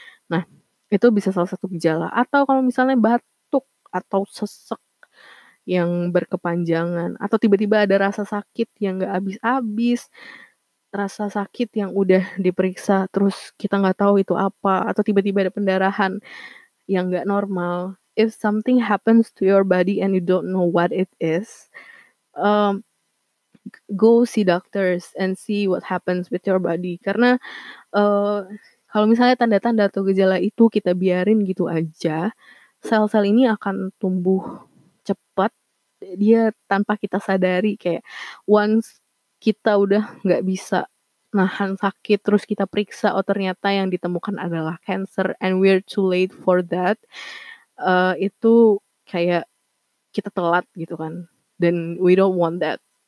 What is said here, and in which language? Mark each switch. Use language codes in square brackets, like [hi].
[id] Nah, itu bisa salah satu gejala. Atau kalau misalnya batuk atau sesek yang berkepanjangan, atau tiba-tiba ada rasa sakit yang gak habis-habis, rasa sakit yang udah diperiksa terus kita gak tahu itu apa, atau tiba-tiba ada pendarahan yang gak normal, [en] if something happens to your body and you don't know what it is, go see doctors and see what happens with your body. [id] Karena kalau misalnya tanda-tanda atau gejala itu kita biarin gitu aja, sel-sel ini akan tumbuh cepat, dia tanpa kita sadari. Kayak [en] once [id] kita udah gak bisa nahan sakit, terus kita periksa, oh ternyata yang ditemukan adalah [en] cancer and we're too late for that, [id] itu kayak kita telat gitu kan, [en] then we don't want that.